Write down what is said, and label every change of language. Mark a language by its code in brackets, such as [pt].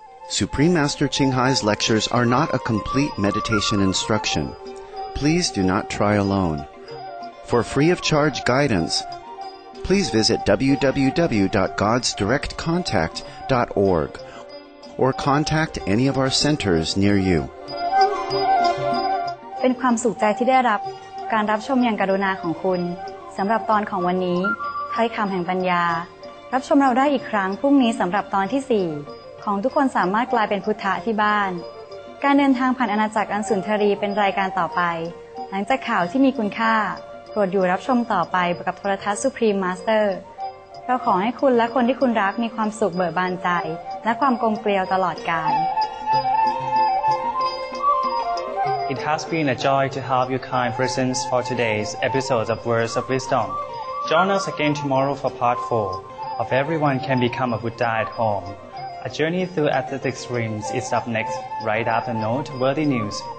[en] Supreme Master Qinghai's lectures are not a complete meditation instruction. Please do not try alone. For free of charge guidance, please visit www.godsdirectcontact.org or contact any of our centers near you. [th] เป็นความสุขใจที่ได้รับการรับชมอย่างกรุณาของคุณสำหรับตอนของวันนี้ถ้อยคำแห่งปัญญารับชมเราได้อีกครั้งพรุ่งนี้สำหรับตอนที่4ของทุกคนสามารถกลายเป็นพุทธะที่บ้านการเดินทางผ่านอาณาจักรอันสุนทรีเป็นรายการต่อไปหลังจากข่าวที่มีคุณค่าโปรดอยู่รับชมต่อไปกับโทรทัศน์ Supreme Master เราขอให้คุณและคนที่คุณรักมีความสุขเบิกบานใจและความกลมเกลียวตลอดกาล [en] It has been a joy to have your kind presence for today's episode of Words of Wisdom. Join us again tomorrow for part 4 of Everyone Can Become a Buddha at Home. A journey through athletic streams is up next, right after noteworthy news.